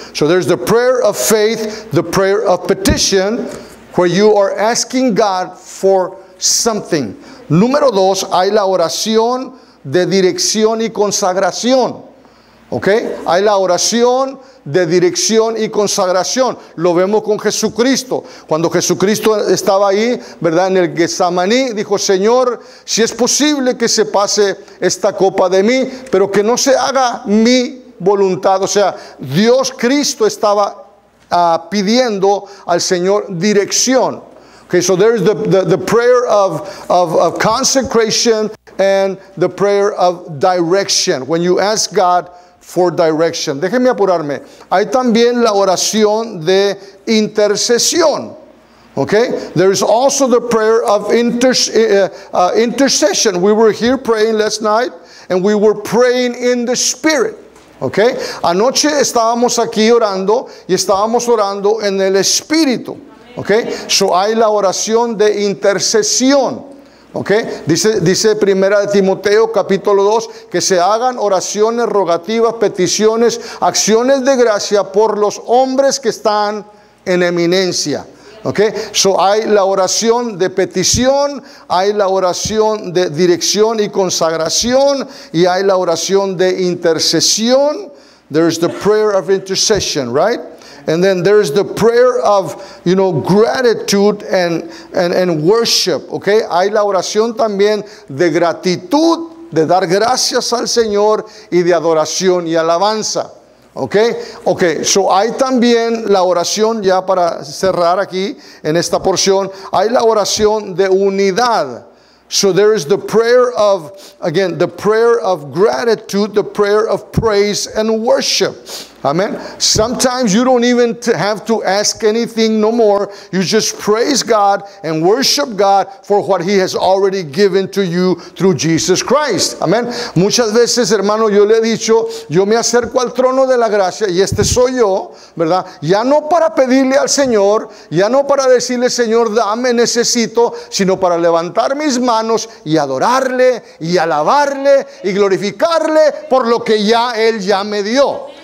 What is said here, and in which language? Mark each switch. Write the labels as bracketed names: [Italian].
[English] So there's the prayer of faith, the prayer of petition, where you are asking God for something. [Spanish] Número dos, hay la oración de dirección y consagración. Okay? Hay la oración de dirección y consagración. Lo vemos con Jesucristo. Cuando Jesucristo estaba ahí, ¿verdad? En el Getsemaní, dijo: Señor, si es posible que se pase esta copa de mí, pero que no se haga mi voluntad. O sea, Dios Cristo estaba pidiendo al Señor dirección. [English] Okay, so there's the prayer of consecration and the prayer of direction. When you ask God for direction. [Spanish] Déjeme apurarme. Hay también la oración de intercesión. Okay? [English] There is also the prayer of intercession. We were here praying last night and we were praying in the spirit. Okay? [Spanish] Anoche estábamos aquí orando y estábamos orando en el espíritu. Okay? So hay la oración de intercesión. Okay. Dice Primera de Timoteo capítulo 2 que se hagan oraciones, rogativas, peticiones, acciones de gracia por los hombres que están en eminencia. Okay. So hay la oración de petición, hay la oración de dirección y consagración, y hay la oración de intercesión. [English] There is the prayer of intercession, right? And then there is the prayer of, you know, gratitude and worship, okay? [Spanish] Hay la oración también de gratitud, de dar gracias al Señor y de adoración y alabanza, okay? Okay, so hay también la oración, ya para cerrar aquí en esta porción, hay la oración de unidad. [English] So there is the prayer of, again, the prayer of gratitude, the prayer of praise and worship. Amen. Sometimes you don't even have to ask anything no more. You just praise God and worship God for what He has already given to you through Jesus Christ. Amen. [Spanish] Muchas veces, hermano, yo le he dicho, yo me acerco al trono de la gracia y este soy yo, ¿verdad? Ya no para pedirle al Señor, ya no para decirle, Señor, dame, necesito, sino para levantar mis manos y adorarle y alabarle y glorificarle por lo que ya Él ya me dio.